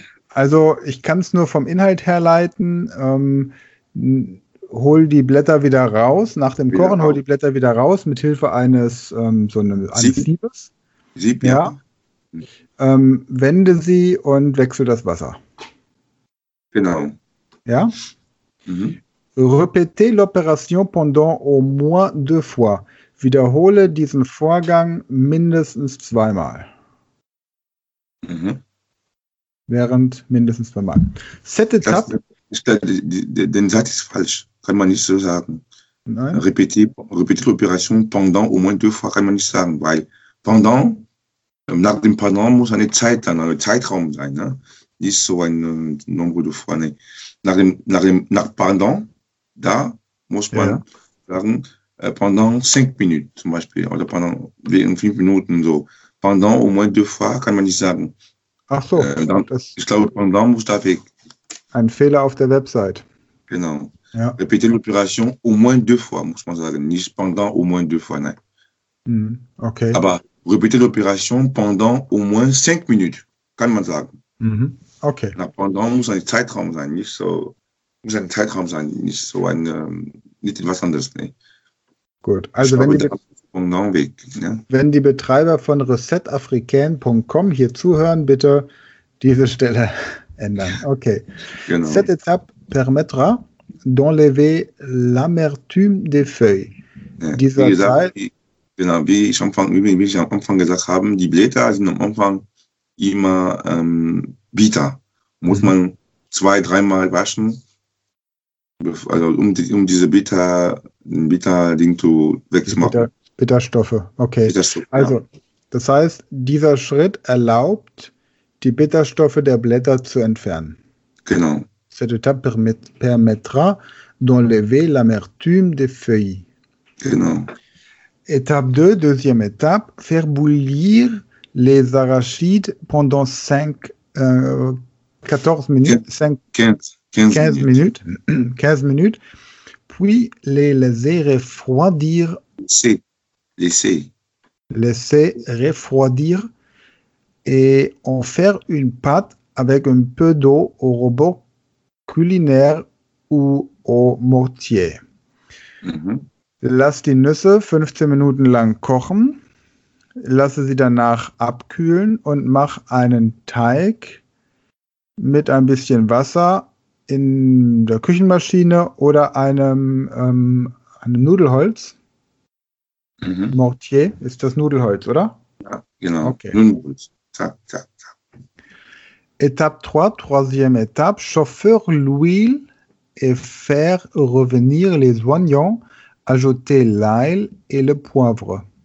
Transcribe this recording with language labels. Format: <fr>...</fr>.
<de>Also, ich kann es nur vom Inhalt herleiten. Hol die Blätter wieder raus. Nach dem Kochen, hol die Blätter wieder raus mit Hilfe eines Siebes. Sieb, ja. Wende sie und wechsel das Wasser. Genau. Ja? Mhm.</de> <fr>Repetez l'opération pendant au moins deux fois.</fr> <de>Wiederhole diesen Vorgang mindestens zweimal. Mhm. Während mindestens zweimal. Den Satz ist falsch. Kann man nicht so sagen. Nein.</de> <fr>Repetez l'opération pendant au moins deux fois.</fr> <de>Kann man nicht sagen, weil pendant... Nach dem Pendant muss eine Zeit dann, ein Zeitraum sein, ne? Nicht so ein</de> <fr>Nombre de fois.</fr> <de>Nee. Nach Pendant, da muss man sagen, pendant 5 Minuten zum Beispiel, oder pendant 5 Minuten so.</de> <fr>Pendant au moins deux fois</fr> <de>kann man nicht sagen. Ach so. Dann, ich glaube, Pendant muss da weg. Ein Fehler auf der Website. Genau. Ja.</de> <fr>Repetez l'opération au moins deux fois,</fr> <de>muss man sagen. Nicht</de> <fr>pendant au moins deux fois,</fr> <de>nein. Okay. Aber.</de> <fr>Répétez l'opération pendant au moins 5 minutes,</fr> <de>kann man sagen. Mm-hmm. Okay. Na, pendant muss ein Zeitraum sein, nicht so. Muss ein Zeitraum sein, nicht so ein. Nicht etwas anderes, ne? Gut, also wenn die, pendant weg, ne? Wenn die Betreiber von recetafricain.com hier zuhören, bitte diese Stelle ändern. Okay. Genau.</de> <fr>Cette étape permettra d'enlever l'amertume des feuilles.</fr> <de>Ja, dieser wie gesagt, Teil. Genau, wie ich am Anfang gesagt habe, die Blätter sind am Anfang immer bitter. Muss man zwei, dreimal waschen, also um diese Bitter-Ding wegzumachen. Bitterstoffe, okay. Also, das heißt, dieser Schritt erlaubt, die Bitterstoffe der Blätter zu entfernen. Genau.</de> <fr>Cette étape permettra d'enlever l'amertume des feuilles.</fr> <de>Genau.</de> <fr>Étape 2, deuxième étape, faire bouillir les arachides pendant 15 minutes, puis les laisser refroidir. Laisser refroidir et en faire une pâte avec un peu d'eau au robot culinaire ou au mortier.</fr> <de>Lass die Nüsse 15 Minuten lang kochen, lasse sie danach abkühlen und mach einen Teig mit ein bisschen Wasser in der Küchenmaschine oder einem Nudelholz. Mhm. Mortier ist das Nudelholz, oder? Ja, genau. Okay. Nudelholz. Zack, zack, zack.</de> <fr>Etappe 3, troisième étape, chauffer l'huile et faire revenir les oignons. Ajouter l'ail et le poivre.</fr>